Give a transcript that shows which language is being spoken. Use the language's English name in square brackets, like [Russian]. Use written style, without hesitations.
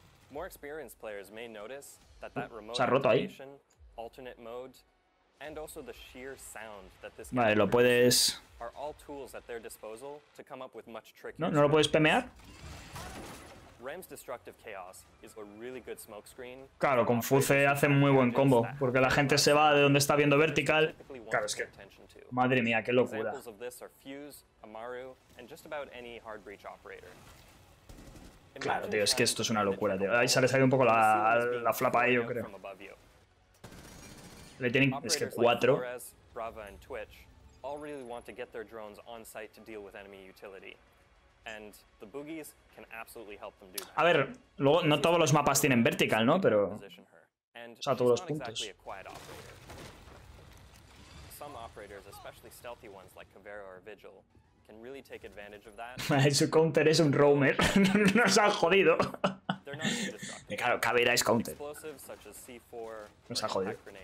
[English] More experienced players may notice that that remote [Spanish] se ha roto ahí. [English] Alternate mode, and also the sheer sound that this [Spanish] vale, lo puedes. [English] Are all tools at their disposal to come up with much trickier. [Spanish] No, no lo puedes pemear. [English] Ram's destructive chaos is a really good smoke screen. [Spanish] Claro, con Fuse hace muy buen combo, porque la gente se va de donde está viendo vertical. Claro, es que. Madre mía, qué locura. [English] Examples of this are Fuse, Amaru, and just about any hard breach operator. [Spanish] Claro, tío, es que esto es una locura, tío. Ahí sale un poco la flapa ahí, yo creo. Le tienen. Es que 4. [English] Brava y Twitch all really want to get their drones on site to deal with enemy utility. And the boogies can absolutely help them do that. [Spanish] A ver, luego no todos los mapas tienen vertical, ¿no? Pero. O sea, todos los puntos. [English] Some operators, especially stealthy ones like Cavera or Vigil. Can really take advantage of that. [Spanish] Su counter es un roamer. Nos ha jodido. Y claro, Cavera es counter. Nos ha jodido.